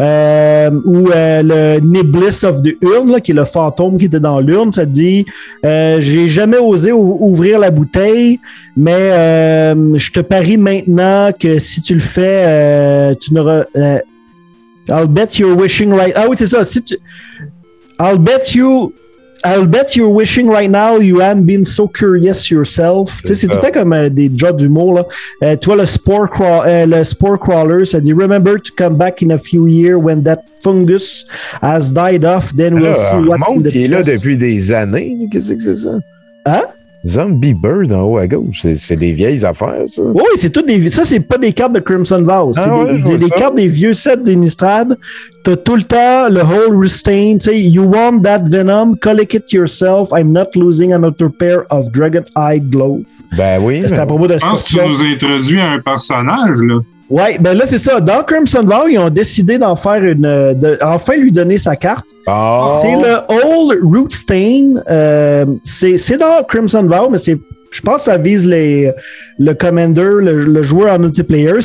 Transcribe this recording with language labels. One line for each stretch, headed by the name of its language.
French: Le Niblis of the Urne, là, qui est le fantôme qui était dans l'urne, ça dit « J'ai jamais osé ouvrir la bouteille, mais je te parie maintenant que si tu le fais, tu n'auras...
English: I'll bet you're wishing right...
French: Ah oui, c'est ça. Si tu...
English: I'll bet you're wishing right now you haven't been so curious yourself.
French: Tu sais, c'est tout le temps comme des jobs d'humour, là. Tu vois, le spore crawler, ça dit,
English: remember to come back in a few years when that fungus has died off, then we'll see what's in the
French: chest. Il est là depuis des années. Qu'est-ce que c'est ça? Hein? Zombie Bird en haut à gauche. C'est des vieilles affaires, ça. Oui, c'est toutes des vieux. Ça, c'est pas des cartes de Crimson Vow. Ah, c'est des cartes des vieux sets d'Innistrad. T'as tout le temps le whole restain. Tu sais,
English: you want that venom? Collect it yourself. I'm not losing another pair of Dragon Eye Glove.
French: Ben oui. C'est à propos de ça. Je pense que tu nous introduis à un personnage, là. Ouais, ben là, c'est ça. Dans Crimson Vow, ils ont décidé d'en faire une... enfin lui donner sa carte. Oh. C'est le Old Root Stain. C'est dans Crimson Vow, mais c'est... Je pense que ça vise le commander, le joueur en multiplayer.